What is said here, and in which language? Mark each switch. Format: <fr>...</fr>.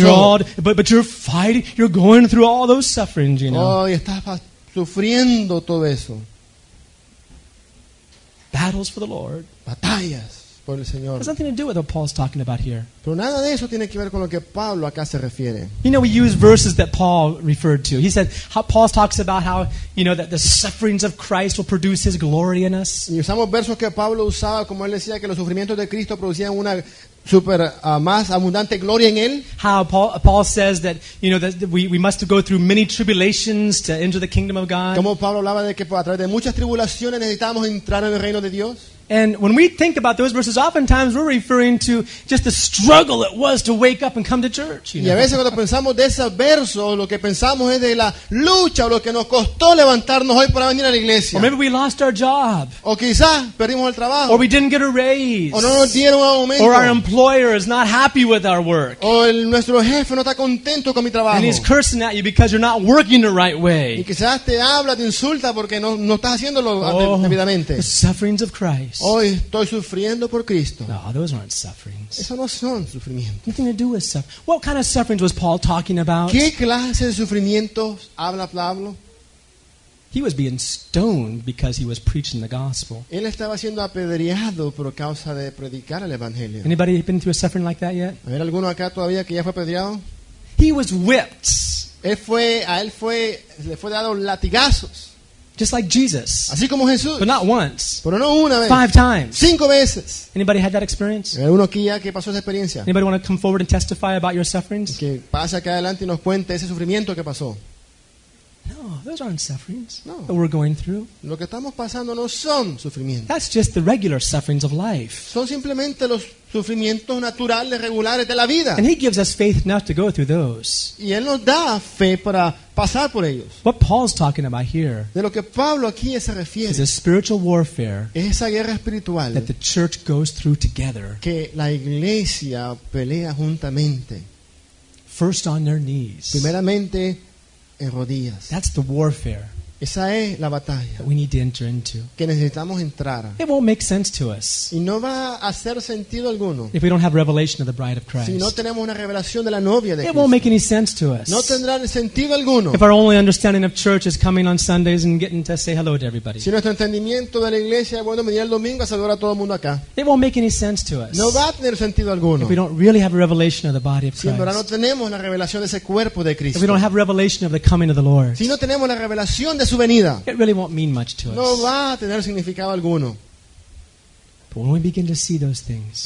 <es>ojos.</es> <en>But you're fighting, you're going through all those sufferings, you know.</en> <es>Oh, y estás sufriendo todo eso.</es> <en>battles for the Lord.</en> <es>Batallas por el Señor.</es> <en>Has nothing to do with what Paul's talking about here.</en> <es>Pero nada de eso tiene que ver con lo que Pablo acá se refiere.</es> <en>You know, we use verses that Paul referred to. He said, how Paul talks about how, you know, that the sufferings of Christ will produce his glory in us.</en> <es>Y usamos versos que Pablo usaba, como él decía, que los sufrimientos de Cristo producían una super más abundante gloria en él.</es> <en>How Paul says that, you know, that we must go through many tribulations to enter the kingdom of God.</en> <es>Como Pablo hablaba de que a través de muchas tribulaciones necesitamos entrar en el reino de Dios.</es> <en>And when we think about those verses, oftentimes we're referring to just the struggle it was to wake up and come to church.</en> <es>Y a veces cuando pensamos de esos versos, lo que pensamos es de la lucha o lo que nos costó levantarnos hoy para venir a la iglesia.</es> <en>Or maybe we lost our job.</en> <es>O quizás perdimos el trabajo.</es> <en>Or we didn't get a raise.</en> <es>O no nos dieron un aumento.</es> <en>Or our employer is not happy with our work.</en> <es>O nuestro jefe no está contento con mi trabajo.</es> <en>And he's cursing at you because you're not working the right way.</en> <es>Y quizás te habla, te insulta porque no estás haciéndolo debidamente.</es> <en>The sufferings of Christ.</en> <es>Hoy estoy sufriendo por Cristo.</es> <en>No, those aren't sufferings.</en> <es>Eso no son sufrimientos.</es> <en>Nothing to do with suffering. What kind of sufferings was Paul talking about?</en> <es>¿Qué clase de sufrimientos habla Pablo?</es> <en>He was being stoned because he was preaching the gospel.</en> <es>Él estaba siendo apedreado por causa de predicar el evangelio.</es> <en>Anybody been through a suffering like that yet?</en> <es>¿Hay alguno acá todavía que ya fue apedreado?</es> <en>He was whipped.</en> <es>Le fue dado latigazos.</es> <en>Just like Jesus.</en> <es>Así como Jesús.</es> <en>But not once.</en> <es>Pero no una vez.</es> <en>Five times.</en> <es>Cinco veces.</es> <en>Anybody had that experience?</en> <es>¿Alguno aquí ya que pasó esa experiencia?</es> <en>Anybody want to come forward and testify about your sufferings?</en> <es>Que pase acá adelante y nos cuente ese sufrimiento que pasó.</es> <en>No, those aren't sufferings.</en> <es>No.</es> <en>That we're going through.</en> <es>Lo que estamos pasando no son sufrimientos.</es> <en>That's just the regular sufferings of life.</en> <es>Son simplemente los sufrimientos naturales, regulares de la vida.</es> <en>And he gives us faith not to go through those.</en> <es>Y él nos da fe para pasar por ellos.</es> <en>What Paul's talking about here,</en> <es>de lo que Pablo aquí se refiere,</es> <en>is a spiritual warfare,</en> <es>esa guerra espiritual,</es> <en>that the church goes through together,</en> <es>que la iglesia pelea juntamente,</es> <en>first on their knees,</en> <es>primeramente en rodillas.</es> <en>That's the warfare.</en> <es>Esa es la batalla</es> <en>that we need to enter into.</en> <es>Que necesitamos entrar.</es> <en>It won't make sense to us.</en> <es>Y no va a hacer sentido alguno.</es> <en>If we don't have revelation of the bride of Christ.</en> <es>Si no tenemos una revelación de la novia de</es> <en>It</en> <es>Cristo.</es> <en>Won't make any sense to us.</en> <es>No tendrá sentido alguno.</es> <en>If our only understanding of church is coming on Sundays and getting to say hello to everybody.</en> <es>Si nuestro entendimiento de la iglesia es bueno, venir el domingo a saludar a todo el mundo acá.</es> <en>It won't make any sense to us.</en> <es>No va a tener sentido alguno.</es> <en>If we don't really have a revelation of the body of Christ.</en> <es>Si en verdad no tenemos la revelación de ese cuerpo de Cristo.</es> <en>If we don't have revelation of the coming of the Lord.</en> <es>Si no tenemos la revelación de</es> <en>It really won't mean much to us.</en> <es>No va a tener significado alguno.</es> <en>But when we begin to see those things,</en>